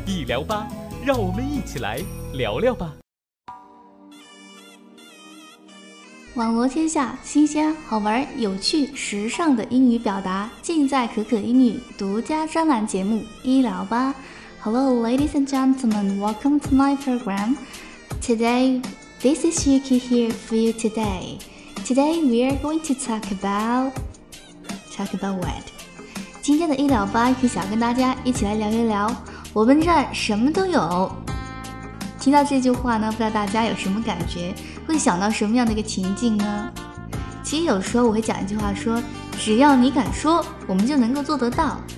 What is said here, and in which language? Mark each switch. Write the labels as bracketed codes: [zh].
[zh] 医疗吧，让我们一起来聊聊吧。网罗天下新鲜好玩有趣时尚的英语表达，尽在可可英语独家专栏节目医疗吧。 [en] Hello, ladies and gentlemen, welcome to my program. Today, this is Yuki here for you today. Today, we are going to talk about what? [zh] 今天的医疗吧，Yuki想跟大家一起来聊一聊，我们这儿什么都有。听到这句话呢，不知道大家有什么感觉，会想到什么样的一个情境呢？其实有时候我会讲一句话说，只要你敢说，我们就能够做得到。